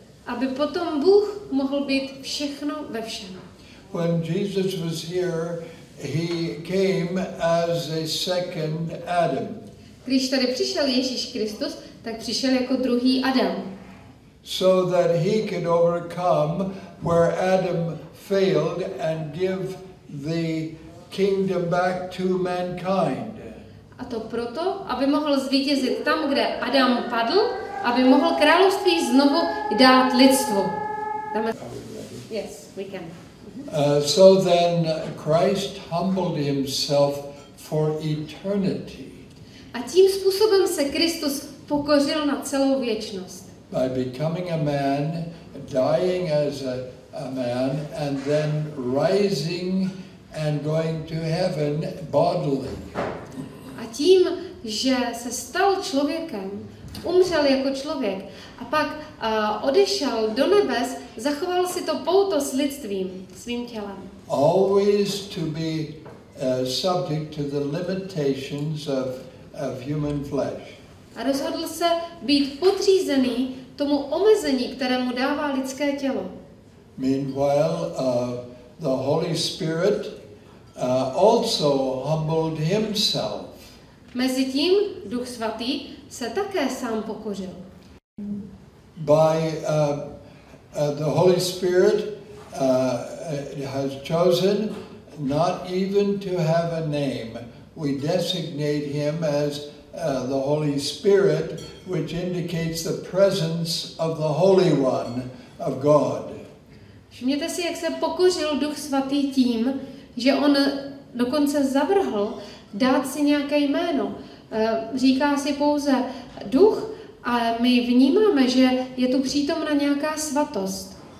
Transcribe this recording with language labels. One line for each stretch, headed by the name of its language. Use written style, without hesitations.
Czech: Aby potom Bůh mohl být všechno ve všem.
English: when Jesus was here, he came as a second Adam.
Czech: Když tady přišel Ježíš Kristus, tak přišel jako druhý Adam.
English: So that he could overcome where Adam failed and give the kingdom back to mankind.
Czech: A to proto, aby mohl zvítězit tam, kde Adam padl, aby mohl království znovu dát lidstvu.
English: Yes, we can. So then Christ humbled himself for eternity.
Czech: A tím způsobem se Kristus pokořil na celou věčnost.
English: By becoming a man, dying as a man, and then rising and going to heaven bodily.
Czech: A tím, že se stal člověkem, umřel jako člověk a pak odešel do nebes, zachoval si to pouto s lidstvím, svým tělem.
English: Always to be subject to the limitations of human flesh.
Czech: A rozhodl se být podřízený tomu omezení, které mu dává lidské tělo.
English: Meanwhile, the Holy Spirit also humbled himself.
Czech: Mezitím Duch svatý se také sám pokořil.
English: By the Holy Spirit has chosen not even to have a name. We designate him as the Holy Spirit, which indicates the presence of the Holy One of God.
Czech: Všimněte si, jak se pokořil Duch svatý tím, že on dokonce zavrhl dát si nějaké jméno. Říká si pouze Duch, ale my vnímáme, že je tu přítomna nějaká svatost.